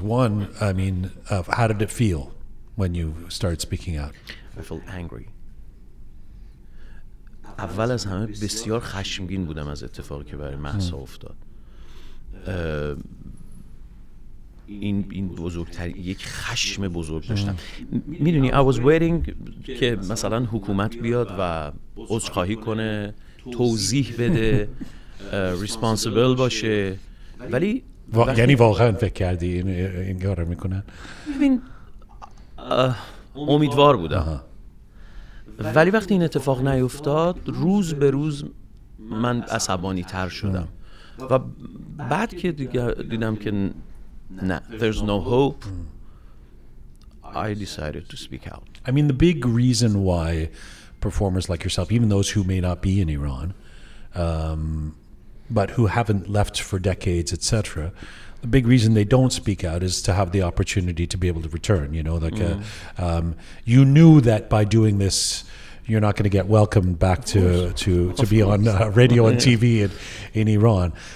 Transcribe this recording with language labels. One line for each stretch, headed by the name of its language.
English: One, I mean, how did it feel when you started speaking out? I felt angry.
Persian: اول از همه بسیار خشمگین بودم از اتفاقی که برای مهسا افتاد. این بزرگتر یک خشم بزرگ داشتم میدونی
English: I was waiting
Persian: که مثلا حکومت بیاد و عذرخواهی کنه توضیح بده responsible باشه ولی یعنی واقعا فکر کردی این کارو میکنن ببین امیدوار بودم ولی وقتی این اتفاق نیفتاد روز به روز من عصبانی تر شدم و بعد که دیدم که
English: No, there's no hope. I decided to speak out. I mean, the big reason why performers like yourself, even those who may not be in Iran, but who haven't left for decades, etc., the big reason they don't speak out is to have the opportunity to be able to return. You know, like you knew that by doing this, you're not going to get welcomed back to be on radio and TV in Iran.